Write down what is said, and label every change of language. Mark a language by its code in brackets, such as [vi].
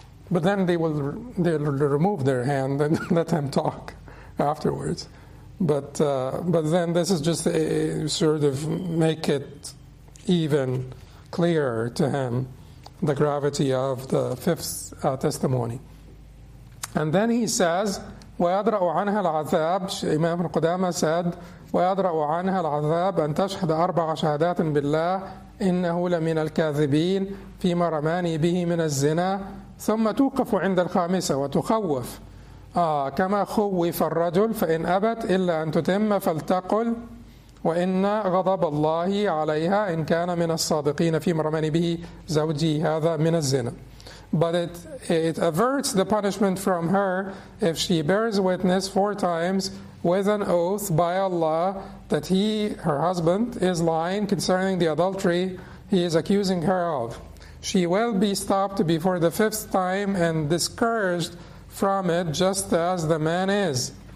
[en] But then they'll remove their hand and let him talk afterwards. But then this is just a sort of make it even clearer to him the gravity of the fifth testimony. And then he says, [ar] وَيَدْرَأُ عَنْهَا الْعَذَابُ. [en] Imam ibn Qudama said, [ar] وَيَدْرَأُ عَنْهَا الْعَذَابُ أَنْ تَشْهَدَ أَرْبَعَ شَهَدَاتٍ بِاللَّهِ إِنَّهُ لَمِنَ الْكَاذِبِينَ فِي مَا رَمَانِي بِهِ مِنَ الزِّنَا ثُمَّ تُوقَفُ عِنْدَ الْخَامِسَةِ وَتُخَوَّفُ كما خوف الرجل فإن أبت إلا أن تتم فلتقل وإن غضب الله عليها إن كان من الصادقين في مرمان به زوجي هذا من الزنا. [en] But it averts the punishment from her if she bears witness four times with an oath by Allah that he, her husband, is lying concerning the adultery he is accusing her of. She will be stopped before the fifth time and discouraged from it, just as the man is.